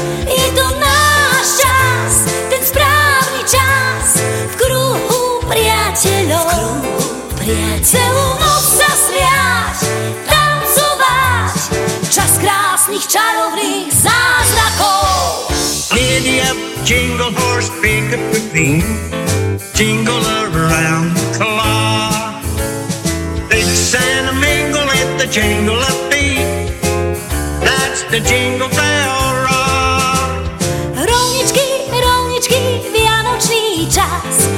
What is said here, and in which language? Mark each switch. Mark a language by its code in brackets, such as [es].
[sk] Je to náš čas, ten správny čas. V kruhu priateľov, celú noc sa sviať, tancovať. Čas krásnych čarovných zázrakov. [en] Giddy up, jingle horse, pick up the theme. Jingle around the clock. Mix and a mingle at the jingle of feet. That's the jingle bell rock. [sk] Rolničky, rolničky, vianočný čas.